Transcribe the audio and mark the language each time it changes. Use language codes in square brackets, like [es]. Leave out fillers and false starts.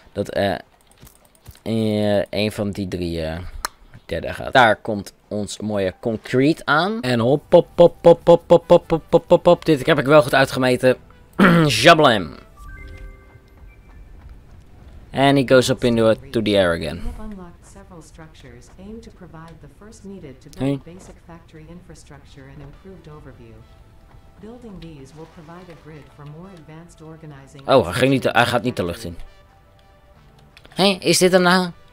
[nl] Dat een van die drie derde gaat. Daar komt ons mooie concrete aan. En hop, hop, hop, hop, hop, hop, hop, hop, hop, hop, hop. Dit heb ik wel goed uitgemeten. Jablam. [en] And he goes up into to the air again. We have unlocked several structures aimed to provide the first needed to build basic factory infrastructure and improved overview. Building these will provide a grid for more advanced organizing. [nl] Oh, hij gaat niet de lucht in. Hé, hey, is dit hem nou?